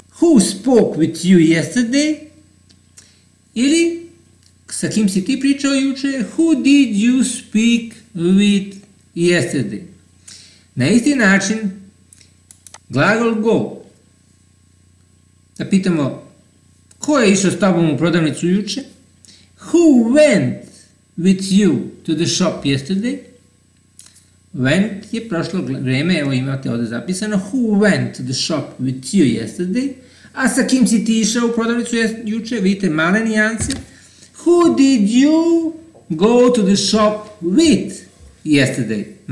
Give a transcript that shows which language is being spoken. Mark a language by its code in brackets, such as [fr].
[en] Who spoke with you yesterday? [sr] Ili sa kim si ti pričao juče? [en] Who did you speak with yesterday? [sr] Na isti način, glagol go. Da pitamo ko je išao s tobom u prodavnicu juče? [en] Who went with you to the shop yesterday? [sr] Went je prošlo vreme, evo imate ovde zapisano. [en] Who went to the shop with you yesterday? [sr] A sa kim si ti išao u prodavnicu juče? Vidite male nijanse. [en] Who did you go to the shop with yesterday?